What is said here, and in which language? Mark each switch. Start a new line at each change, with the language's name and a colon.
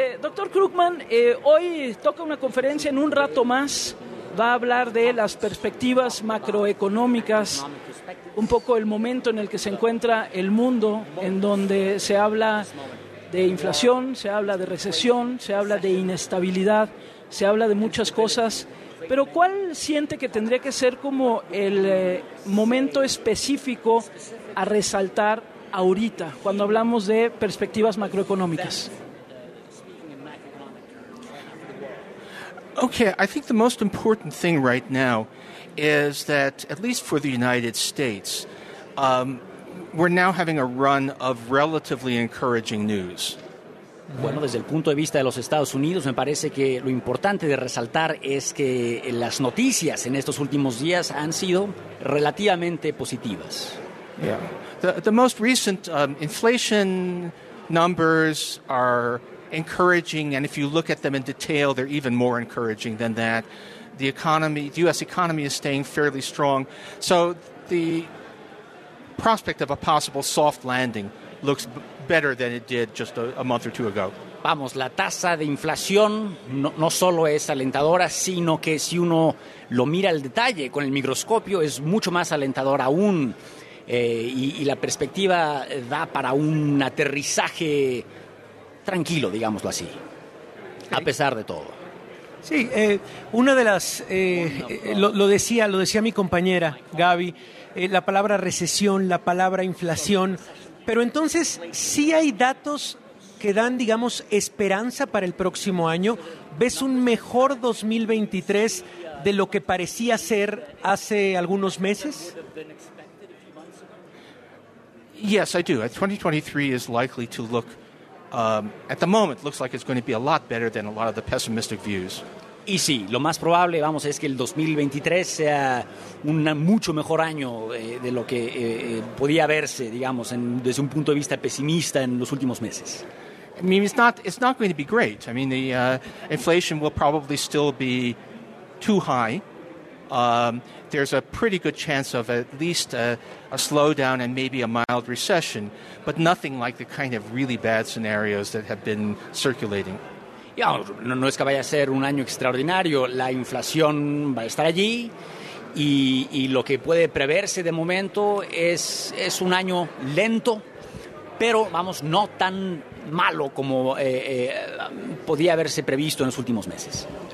Spanish: Doctor Krugman, hoy toca una conferencia. En un rato más va a hablar de las perspectivas macroeconómicas, un poco el momento en el que se encuentra el mundo, en donde se habla de inflación, se habla de recesión, se habla de inestabilidad, se habla de muchas cosas. Pero ¿cuál siente que tendría que ser como el momento específico a resaltar ahorita cuando hablamos de perspectivas macroeconómicas?
English: Okay, I think the most important thing right now is that, at least for the United States, we're now having a run of relatively encouraging news.
Spanish: Bueno, desde el punto de vista de los Estados Unidos, me parece que lo importante de resaltar es que las noticias en estos últimos días han sido relativamente positivas.
English: Yeah. The most recent inflation numbers are encouraging, and if you look at them in detail, they're even more encouraging than that. The economy, the U.S. economy is staying fairly strong. So the prospect of a possible soft landing looks better than it did just a month or two ago.
Spanish: Vamos, la tasa de inflación no solo es alentadora, sino que si uno lo mira al detalle con el microscopio, es mucho más alentadora aún. Y la perspectiva da para un aterrizaje tranquilo, digámoslo así, a pesar de todo. Sí, una de las... Lo decía mi compañera, Gaby, la palabra recesión, la palabra inflación. Pero entonces, ¿sí hay datos que dan, digamos, esperanza para el próximo año? ¿Ves un mejor 2023 de lo que parecía ser hace algunos meses?
English: Yes, I do. 2023 is likely to look, at the moment, looks like it's going to be a lot better than a lot of the pessimistic views.
Spanish: Y sí, lo más probable, vamos, es que el 2023 sea un mucho mejor año de lo que podía verse, digamos, desde un punto de vista pesimista en los últimos meses.
English: I mean, it's not going to be great. I mean, the inflation will probably still be too high. There's a pretty good chance of at least a slowdown and maybe a mild recession, but nothing like the kind of really bad scenarios that have been circulating.
Spanish: Yeah, no es que vaya a ser un año extraordinario. La inflación va a estar allí, y lo que puede preverse de momento es un año lento, pero vamos, no tan malo como podía haberse previsto en los últimos meses.